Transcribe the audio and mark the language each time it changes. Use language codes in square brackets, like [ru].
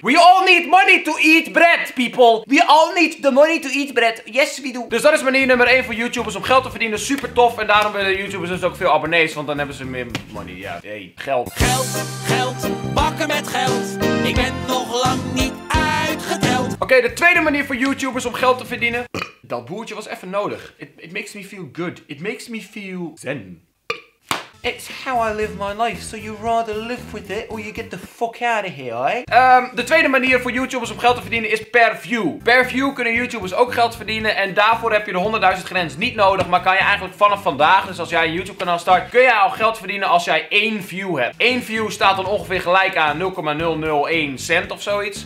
[en] We all need money to eat bread, people. We all need the money to eat bread. Yes, we do. [nl] Dus dat is manier nummer 1 voor YouTubers om geld te verdienen. Super tof. En daarom willen YouTubers dus ook veel abonnees. Want dan hebben ze meer money. Ja, hey, geld. Geld, geld. Bakken met geld. Ik ben nog lang niet. Oké, de tweede manier voor YouTubers om geld te verdienen. Dat boertje was even nodig. [en] It makes me feel good. It makes me feel zen. It's how I live my life, so you rather live with it or you get the fuck out of here, eh? [nl] De tweede manier voor YouTubers om geld te verdienen is per view. Per view kunnen YouTubers ook geld verdienen en daarvoor heb je de 100.000 grens niet nodig, maar kan je eigenlijk vanaf vandaag, dus als jij een YouTube kanaal start, kun jij al geld verdienen als jij één view hebt. Eén view staat dan ongeveer gelijk aan 0,001 cent of zoiets.